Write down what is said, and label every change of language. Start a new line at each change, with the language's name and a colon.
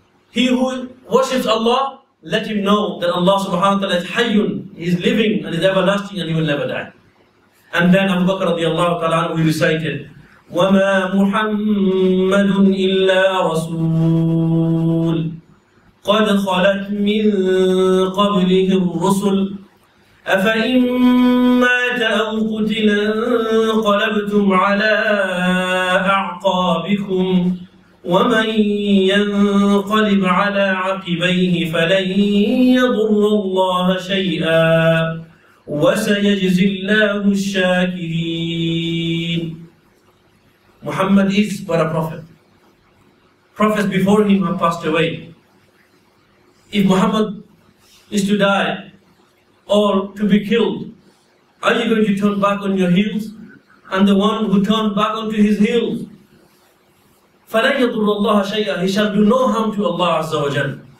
English: He who worships Allah, let him know that Allah subhanahu wa ta'ala is hayyun, he is living and is everlasting and he will never die. And then Abu Bakr radiallahu ta'ala, we recited,
Arabic: وَمَا مُحَمَّدٌ إِلَّا رَسُولٌ قد خلت من قبلهم الرسل أفإن مات أو قتل انقلبتم على أعقابكم ومن ينقلب على عقبيه فلن يضر الله شيئا وسيجزي الله الشاكرين.
English: Muhammad is but a prophet. Prophets before him have passed away. If Muhammad is to die or to be killed, are you going to turn back on your heels? And the one who turned back onto his heels,
Arabic: فَلَنْ يَضُرُّ اللَّهَ شَيْئًا,
English: he shall do no harm to Allah Azza wa Jal.